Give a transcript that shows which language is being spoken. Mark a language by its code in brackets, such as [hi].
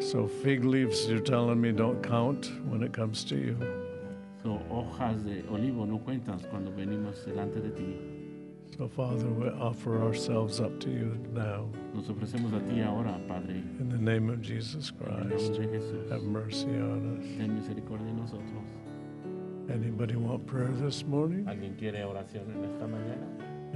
[en] So fig leaves, you're telling me, don't count when it comes to you. [es] So hojas de olivo no cuentas cuando venimos delante de ti. [en] So, Father, we offer ourselves up to you now. [es] Nos ofrecemos a ti ahora, Padre. [en] In the name of Jesus Christ, [es] en el nombre de Jesús, [en] have mercy on us. [es] Ten misericordia en nosotros. [en] Anybody want prayer this morning? [es] ¿Alguien quiere oración en esta mañana?